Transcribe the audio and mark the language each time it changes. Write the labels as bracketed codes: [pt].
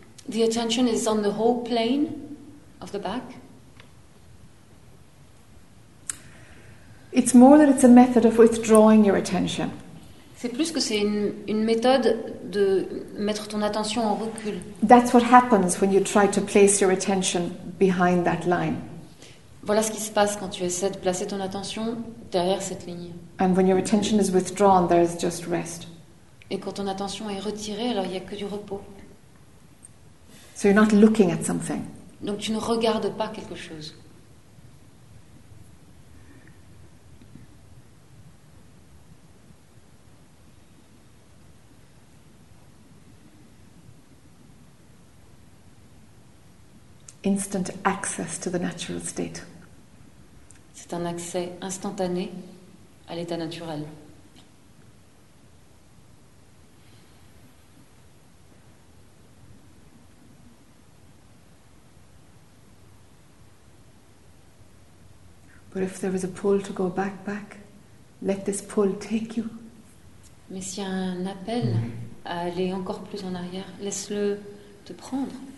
[en] The attention is on the whole plane of the back. It's more that it's a method of withdrawing your attention. [fr] C'est plus que c'est une méthode de mettre ton attention en recul. [en] That's what happens when you try to place your attention behind that line. [fr] Voilà ce qui se passe quand tu essaies de placer ton attention derrière cette ligne. [en] And when your attention is withdrawn, there is just rest. [fr] Et quand ton attention est retirée, alors il n'y a que du repos. [en] So you're not looking at something. [fr] Donc tu ne regardes pas quelque chose. [en] Instant access to the natural state. [fr] C'est un accès instantané à l'état naturel. [en] But if there is a pull to go back, back, let this pull take you. [fr] Mais s'il y a un appel à aller encore plus en arrière, laisse-le te prendre.